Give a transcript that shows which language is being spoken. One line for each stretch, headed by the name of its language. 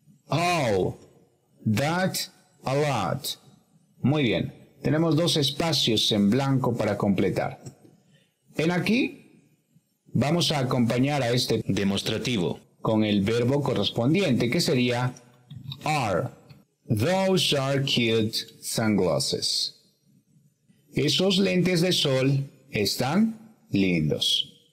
English: Oh, that a lot. Muy bien.
Spanish: Tenemos dos espacios en blanco para completar. En aquí vamos a acompañar a este demostrativo con el verbo correspondiente, que sería are.
English: Those are cute sunglasses.
Spanish: Esos lentes de sol están lindos.